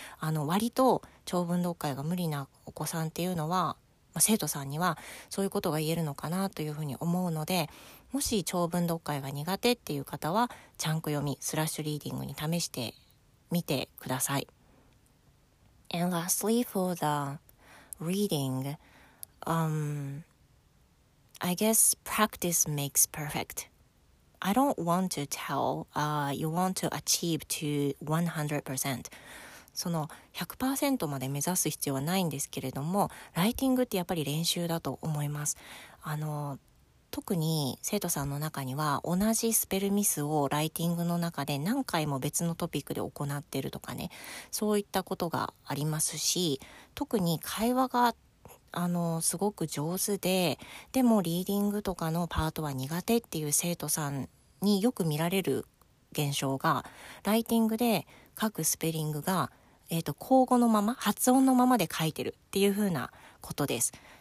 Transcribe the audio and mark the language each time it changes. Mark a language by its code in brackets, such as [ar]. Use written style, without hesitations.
[ja] あの割と長文読解が無理なお子さんっていうのは、まあ、生徒さんにはそういうことが言えるのかなというふうに思うので、もし長文読解が苦手っていう方は、チャンク読み、スラッシュリーディングに試してみてください。 [en] And lastly for the readingI guess practice makes perfect. I don't want to tell you want to achieve to 100%. [ja] その 100% まで目指す必要はないんですけれども、ライティングってやっぱり練習だと思います。あの、特に生徒さんの中には同じスペルミスをライティングの中で何回も別のトピックで行っているとかね、そういったことがありますし、特に会話が、あのすごく上手で、でもリーディングとかのパートは苦手っていう生徒さんによく見られる現象が、ライティングで書くスペリングが、口語のまま、発音のままで書いてるっていう風なことです。